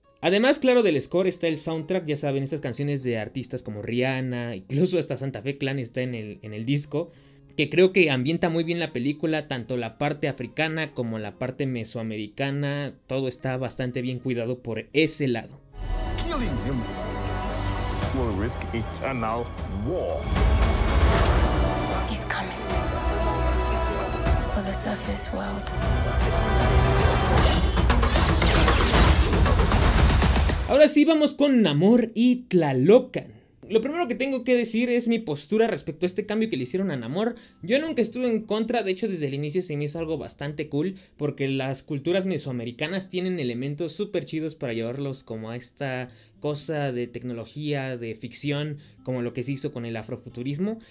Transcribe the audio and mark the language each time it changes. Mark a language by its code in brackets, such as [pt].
[es] Además, claro, del score está el soundtrack, ya saben, estas canciones de artistas como Rihanna, incluso hasta Santa Fe Clan está en el disco, que creo que ambienta muy bien la película, tanto la parte africana como la parte mesoamericana, todo está bastante bien cuidado por ese lado. [en] Killing him will risk eternal war. He's coming for the surface world. [es] Ahora sí, vamos con Namor y Tlalocan. Lo primero que tengo que decir es mi postura respecto a este cambio que le hicieron a Namor. Yo nunca estuve en contra, de hecho desde el inicio se me hizo algo bastante cool, porque las culturas mesoamericanas tienen elementos súper chidos para llevarlos como a esta cosa de tecnología, de ficción, como lo que se hizo con el afrofuturismo.